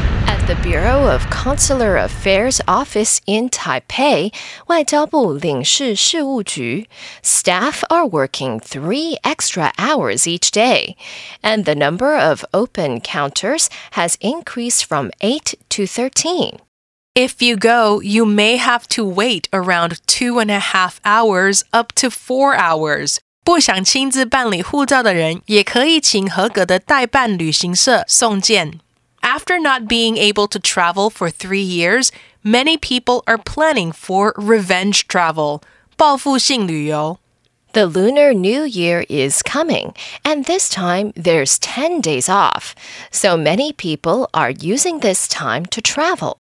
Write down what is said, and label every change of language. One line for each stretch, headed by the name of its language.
English: At the Bureau of Consular Affairs office in Taipei, 外交部领事事务局, staff are working 3 extra hours each day, and the number of open counters has increased from 8 to 13. If you go, you may have to wait around 2.5 hours up to 4 hours.
Chinese: 不想亲自办理护照的人也可以请合格的代办旅行社送件。
English: After not being able to travel for 3 years, many people are planning for revenge travel, 报复性旅游。 The Lunar New Year is coming, and this time there's 10 days off, so many people are using this time to travel.